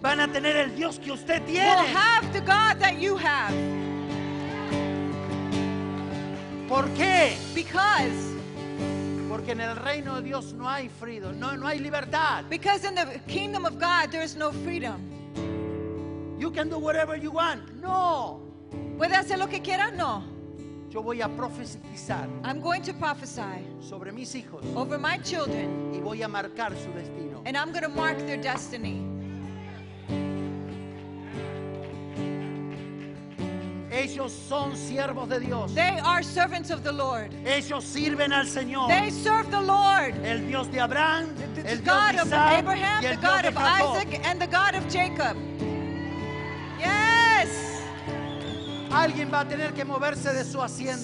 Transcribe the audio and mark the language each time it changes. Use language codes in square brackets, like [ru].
[es] van a tener el Dios que usted tiene, [en] will have the God that you have. [es] ¿Por qué? [en] Because. [es] Porque en el reino de Dios no hay freedom, no hay libertad. [en] Because in the kingdom of God there is no freedom. You can do whatever you want. No. [es] ¿Puede hacer lo que quiera? No. Yo voy a profetizar. [en] I'm going to prophesy. [es] Sobre mis hijos. [en] Over my children. [es] Y voy a marcar su destino. [en] And I'm going to mark their destiny. [es] Ellos son siervos de Dios. [en] They are servants of the Lord. [es] Ellos sirven al Señor. [en] They serve the Lord. [es] El Dios de Abraham, el [en] God [es] Dios de Isaac, [en] of Abraham, the God of Isaac, and the God of Jacob. Yes. [es] Alguien va a tener que moverse de su asiento.